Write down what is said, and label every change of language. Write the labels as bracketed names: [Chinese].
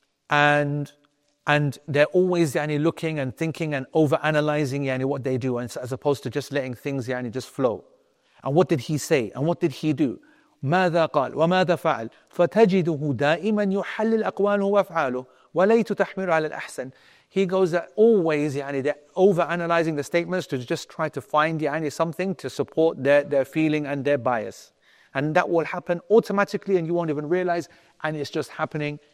[English] And they're always yani looking and thinking and overanalyzing yani what they do, and as opposed to just letting things yani just flow. And what did he say? And what did he do? [Arabic] ماذا قال وماذا فعل فتجده دائما يحلل أقواله وأفعاله وليت تحمير على الأحسن. [English] He goes that always yani they're overanalyzing the statements to just try to find yani something to support their feeling and their bias, and that will happen automatically, and you won't even realize, and it's just happening.